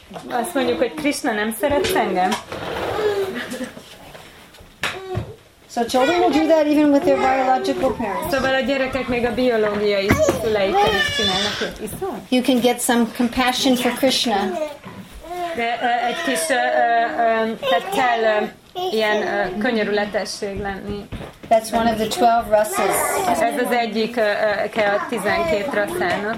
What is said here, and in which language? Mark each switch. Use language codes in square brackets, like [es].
[hu] Azt mondjuk, hogy Krishna, nem szeretsz engem? [en] So children will do that even with their biological parents. [hu] Szóval a gyerekek még a biológiai szüleikkel is csinálnak. [en] You can get some compassion for Krishna. [hu] De egy kis, tehát kell ilyen könyörületesség lenni. [en] That's one of the 12 rasas. [hu] Ez az egyik a 12 rasának.